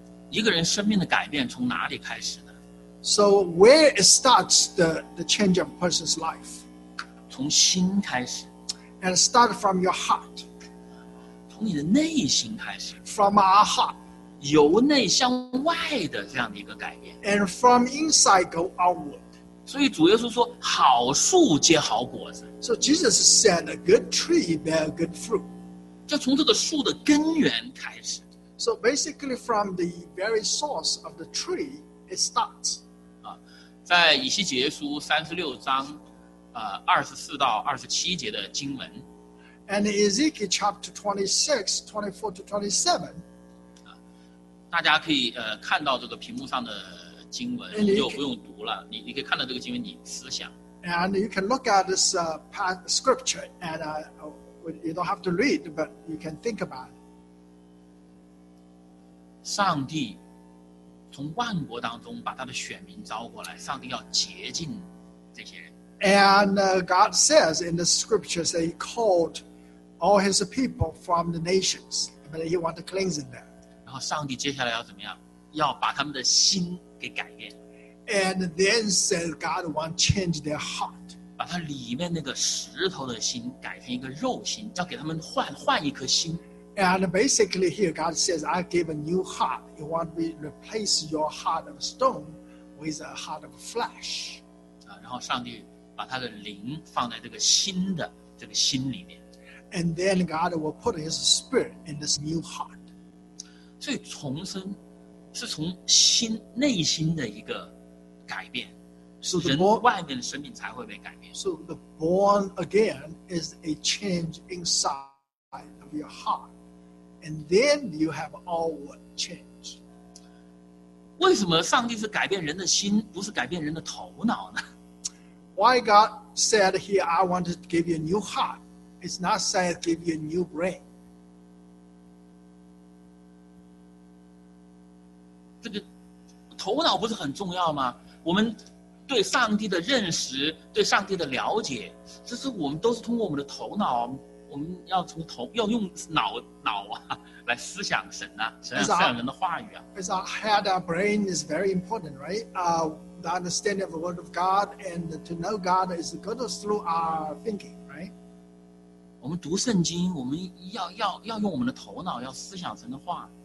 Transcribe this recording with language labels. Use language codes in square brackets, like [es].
[zh] 一个人生命的改变从哪里开始呢？ [en] So where it starts the change of a person's life? [zh] 从心开始 [en] ，and start from your heart， [zh] 从你的内心开始 [en] ，from our heart， [zh] 由内向外的这样的一个改变 [en] ，and from inside go outward。 [zh] 所以主耶稣说，好树结好果子。 [en] So Jesus said, "A good tree bear good fruit." [zh] 就从这个树的根源开始。 [en] So basically, from the very source of the tree, it starts. [zh] 在以西结书36章。24-27节的经文。 [en] And Ezekiel chapter 26:24-27. [zh] 大家可以看到这个屏幕上的经文，你就不用读了。你可以看到这个经文，你思想。 [en] And you can look at this scripture, and you don't have to read, but you can think about it. [zh] 上帝从万国当中把他的选民招过来，上帝要洁净这些人。 [en] And God says in the scriptures that he called all his people from the nations, but he wanted cleansing them. [zh] 然后上帝接下来要怎么样？要把他们的心给改变。 [en] And then said God want change their heart. [zh] 把他里面那个石头的心改成一个肉心，要给他们换一颗心。 [en] And basically here God says, I give a new heart. You want me to replace your heart of stone with a heart of flesh. [zh] 然后上帝把他的灵放在这个新的这个心里面。 [en] And then God will put his spirit in this new heart. [zh] 所以重生是从心内心的一个改变。 [en] So the [zh] 人外面的生命才会被改变。 [en] So the born again is a change inside of your heart. And then you have outward change. [zh] 为什么上帝是改变人的心，不是改变人的头脑呢？ [en] Why God said here, I want to give you a new heart. It's not said give you a new brain. [zh] 这个头脑不是很重要吗？我们对上帝的认识，对上帝的了解，这是我们都是通过我们的头脑。我们要从头，要用脑啊，来思想神啊，思想人的话语啊。 [en] It's our head, our brain is very important, right? The understanding of the word of God and to know God is good through our thinking, right? [zh] 我们读圣经，我们要用我们的头脑，要思想神的话。